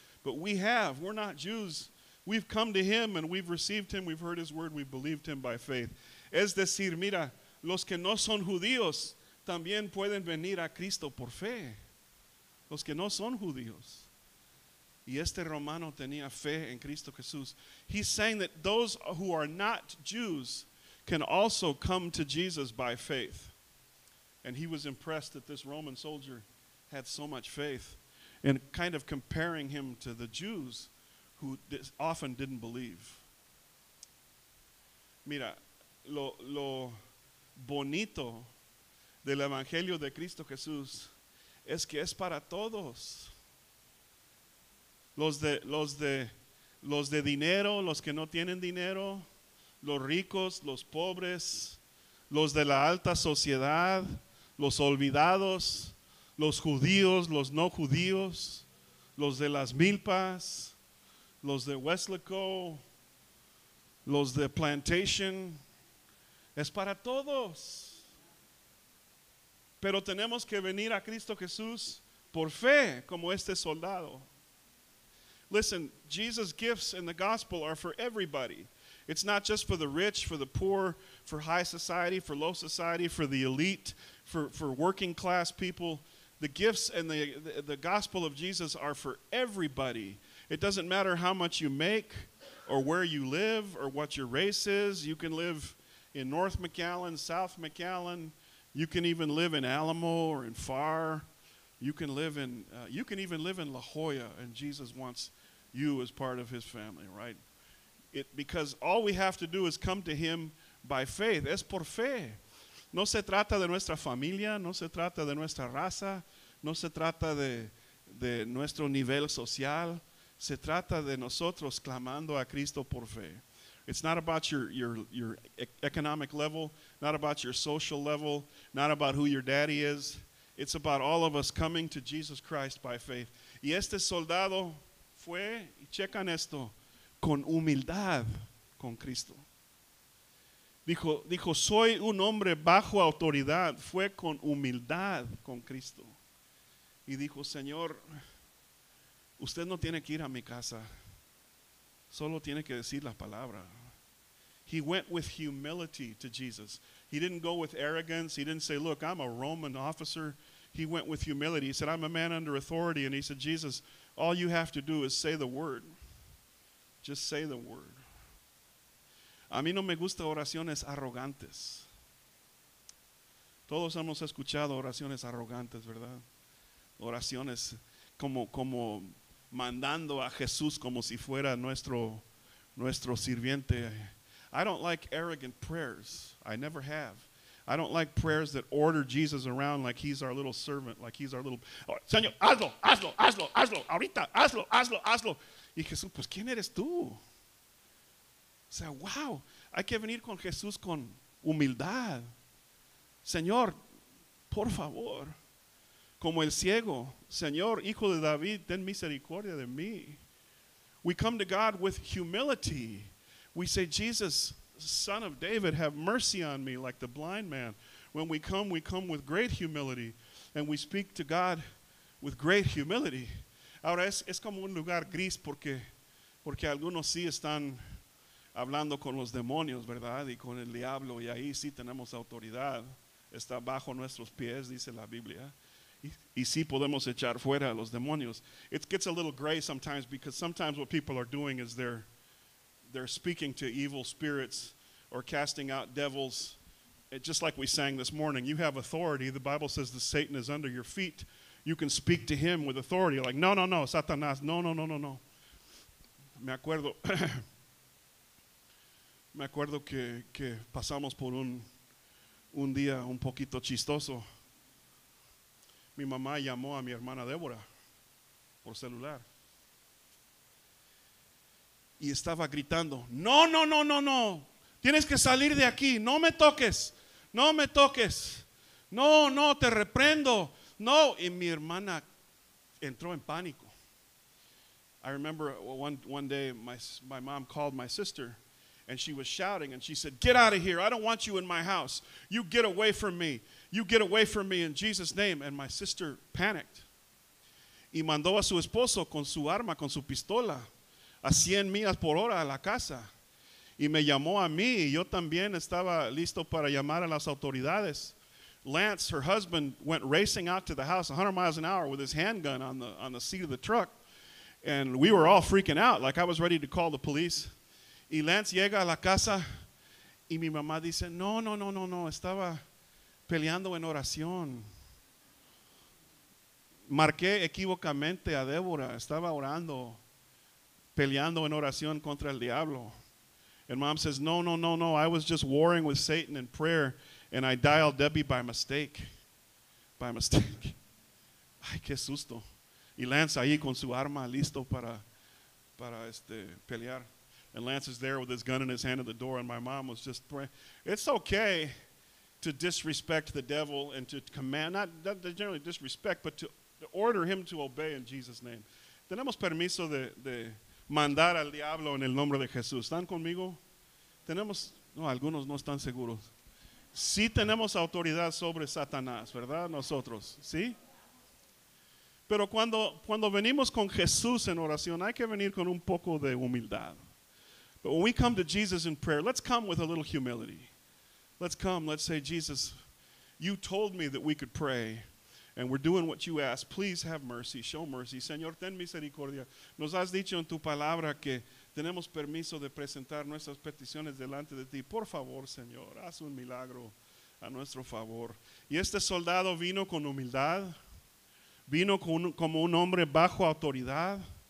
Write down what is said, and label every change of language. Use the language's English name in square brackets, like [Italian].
[English] But we have, we're not Jews. We've come to Him and we've received Him, we've heard His word, we've believed Him by faith. [Spanish] Es decir, mira, los que no son judíos también pueden venir a Cristo por fe. Los que no son judíos. Y este romano tenía fe en Cristo Jesús. [English] He's saying that those who are not Jews can also come to Jesus by faith. And he was impressed that this Roman soldier had so much faith, and kind of comparing him to the Jews who often didn't believe. [Spanish] Mira, lo bonito del Evangelio de Cristo Jesús es que es para todos. Los de dinero, los que no tienen dinero, los ricos, los pobres, los de la alta sociedad, los olvidados, los judíos, los no judíos, los de las milpas, los de Weslaco, los de Plantation, es para todos. Pero tenemos que venir a Cristo Jesús por fe, como este soldado. [English] Listen, Jesus' gifts in the gospel are for everybody. It's not just for the rich, for the poor, for high society, for low society, for the elite, for working class people. The gifts and the gospel of Jesus are for everybody. It doesn't matter how much you make or where you live or what your race is. You can live in North McAllen, South McAllen. You can even live in Alamo or in Far. You can even live in La Jolla, and Jesus wants you as part of his family, right? Because all we have to do is come to him by faith. [Spanish] Es por fe. No se trata de nuestra familia, no se trata de nuestra raza, no se trata de nuestro nivel social. Se trata de nosotros clamando a Cristo por fe. [English] It's not about your economic level, not about your social level, not about who your daddy is. It's about all of us coming to Jesus Christ by faith. [Spanish] Y este soldado fue, y checan esto, con humildad con Cristo. Dijo, soy un hombre bajo autoridad. Fue con humildad con Cristo. Y dijo, Señor, usted no tiene que ir a mi casa. Solo tiene que decir la palabra. [English] He went with humility to Jesus. He didn't go with arrogance. He didn't say, look, I'm a Roman officer. He went with humility. He said, I'm a man under authority. And he said, Jesus, all you have to do is say the word. Just say the word. [Spanish] A mí no me gustan oraciones arrogantes. Todos hemos escuchado oraciones arrogantes, ¿verdad? Oraciones como mandando a Jesús como si fuera nuestro sirviente. [English] I don't like arrogant prayers. I never have. I don't like prayers that order Jesus around like he's our little servant, like he's our little... [Spanish] Oh, Señor, hazlo, hazlo, hazlo, hazlo, ahorita, hazlo, hazlo, hazlo. Y Jesús, pues, ¿quién eres tú? O sea, wow, hay que venir con Jesús con humildad. Señor, por favor, como el ciego, Señor, hijo de David, ten misericordia de mí. [English] We come to God with humility. We say, Jesus, son of David, have mercy on me, like the blind man. When we come with great humility, and we speak to God with great humility. [Spanish] Ahora, es como un lugar gris porque algunos sí están hablando con los demonios, ¿verdad? Y con el diablo, y ahí sí tenemos autoridad. Está bajo nuestros pies, dice la Biblia. Y sí podemos echar fuera a los demonios. [English] It gets a little gray sometimes, because sometimes what people are doing is they're speaking to evil spirits or casting out devils. It, just like we sang this morning, you have authority. The Bible says that Satan is under your feet. You can speak to him with authority. Like, [Spanish] no, no, no, Satanás, no, no, no, no, no. Me acuerdo... Me acuerdo que pasamos por un día un poquito chistoso. Mi mamá llamó a mi hermana Débora por celular. Y estaba gritando, no, no, no, no, no. Tienes que salir de aquí, no me toques, no me toques. No, no, te reprendo. No, y mi hermana entró en pánico. [English] I remember one day my mom called my sister and she was shouting and she said, "Get out of here. I don't want you in my house. You get away from me. You get away from me in Jesus' name." And my sister panicked. [Spanish] Y mandó a su esposo con su arma, con su pistola, a 100 millas por hora a la casa. Y me llamó a mí, y yo también estaba listo para llamar a las autoridades. [English] Lance, her husband, went racing out to the house 100 miles an hour with his handgun on the seat of the truck. And we were all freaking out, like I was ready to call the police. [Spanish] Y Lance llega a la casa, y mi mamá dice, no, estaba peleando en oración. Marqué equivocamente a Débora, estaba orando, peleando en oración contra el diablo. [English] And mom says, no, I was just warring with Satan in prayer, and I dialed Debbie by mistake. [Spanish] Ay, qué susto. Y Lance ahí con su arma listo para pelear. [English] And Lance is there with his gun in his hand at the door, and my mom was just praying. It's okay to disrespect the devil and to command, not generally disrespect, but to order him to obey in Jesus' name. [Spanish] Tenemos permiso de mandar al diablo en el nombre de Jesús. ¿Están conmigo? Tenemos, no, algunos no están seguros. Sí tenemos autoridad sobre Satanás, ¿verdad? Nosotros, ¿sí? Pero cuando venimos con Jesús en oración, hay que venir con un poco de humildad. [English] But when we come to Jesus in prayer, let's come with a little humility. Let's come, let's say, "Jesus, you told me that we could pray. And we're doing what you ask. Please have mercy. Show mercy. [Spanish] Señor, ten misericordia. Nos has dicho en tu palabra que tenemos permiso de presentar nuestras peticiones delante de ti. Por favor, Señor, haz un milagro a nuestro favor." Y este soldado vino con humildad. Vino como un hombre bajo autoridad.